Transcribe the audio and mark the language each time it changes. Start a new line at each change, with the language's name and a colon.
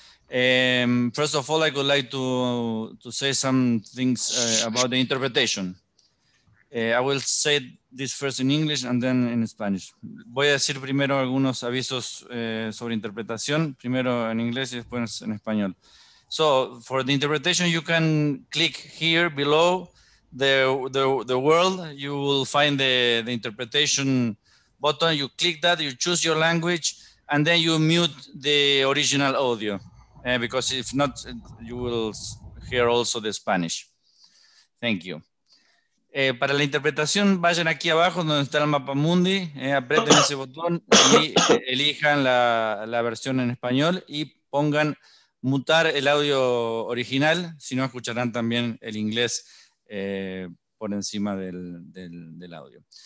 English: First of all, I would like to say some things about the interpretation. I will say this first in English and then in Spanish.
Spanish: Voy a decir primero algunos avisos sobre interpretación, primero en inglés y después en español.
English: So, for the interpretation, you can click here below the world. You will find the interpretation button. You click that, you choose your language, and then you mute the original audio. Because if not, you will hear also the Spanish. Thank you.
Spanish: Para la interpretación, vayan aquí abajo donde está el mapa mundi, aprieten ese botón y elijan la versión en español y pongan mutar el audio original, si no escucharán también el inglés por encima del audio.